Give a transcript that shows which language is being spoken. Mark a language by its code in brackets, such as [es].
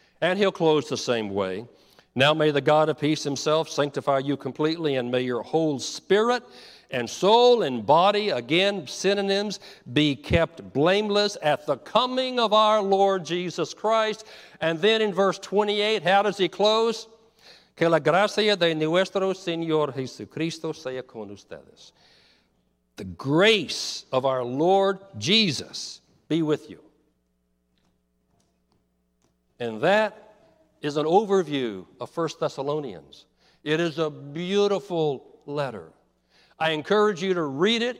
[en] And he'll close the same way. Now may the God of peace himself sanctify you completely, and may your whole spirit and soul and body, again, synonyms, be kept blameless at the coming of our Lord Jesus Christ. And then in verse 28, how does he close? [es] Que la gracia de nuestro Señor Jesucristo sea con ustedes. [en] The grace of our Lord Jesus be with you. And that is an overview of 1 Thessalonians. It is a beautiful letter. I encourage you to read it.